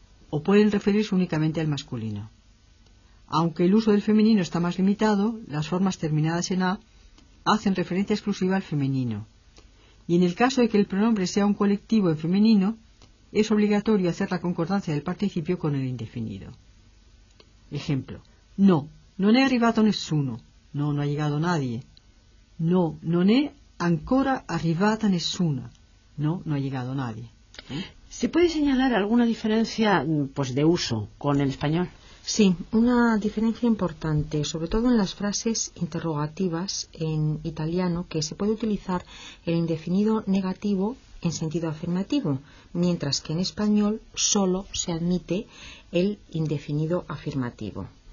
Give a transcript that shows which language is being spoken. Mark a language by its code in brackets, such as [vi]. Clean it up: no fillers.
[es] o pueden referirse únicamente al masculino. Aunque el uso del femenino está más limitado, las formas terminadas en A hacen referencia exclusiva al femenino. Y en el caso de que el pronombre sea un colectivo en femenino, es obligatorio hacer la concordancia del participio con el indefinido. Ejemplo. [it] No, non è arrivato nessuno. [es] No, no ha llegado nadie. [it] No, non è ancora arrivata nessuna. [es] No, no ha llegado nadie. ¿Se puede señalar alguna diferencia, pues, de uso con el español? Sí, una diferencia importante, sobre todo en las frases interrogativas en italiano, que se puede utilizar el indefinido negativo en sentido afirmativo, mientras que en español solo se admite el indefinido afirmativo.